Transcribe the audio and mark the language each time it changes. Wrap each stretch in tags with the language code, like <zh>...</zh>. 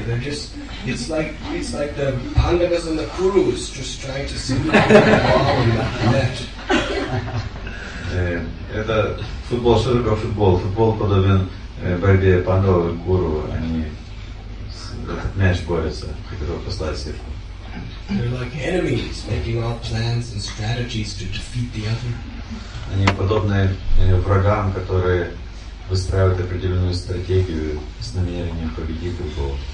<en>They're just, it's like the Pandavas and the Kurus just trying to see the ball in the net.</en> <ru>Это футбол, что такое футбол? Футбол подобен борьбе Пандавы и Куру. Они этот мяч борются, хотят послать сетку.</ru> <en>They're like enemies, making all plans and strategies to defeat the other.</en> <ru>Они подобны врагам, которые выстраивают определенную стратегию с намерением победить другого.</ru>